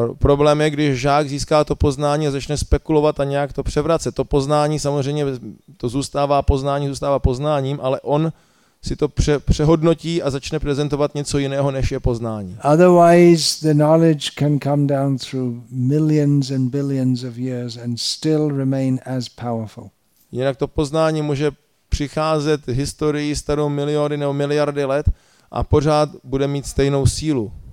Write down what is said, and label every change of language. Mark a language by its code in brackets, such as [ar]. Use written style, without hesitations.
[cs] Problém je, když žák získá to poznání a začne spekulovat a nějak to převrace. To poznání samozřejmě to zůstává poznáním, ale on si to přehodnotí a začne prezentovat něco jiného, než je poznání. [en] Otherwise, the knowledge can come down through millions and billions of years and still remain as powerful. [cs] Jinak to poznání může přicházet historii starou miliony nebo miliardy let a pořád bude mít stejnou sílu.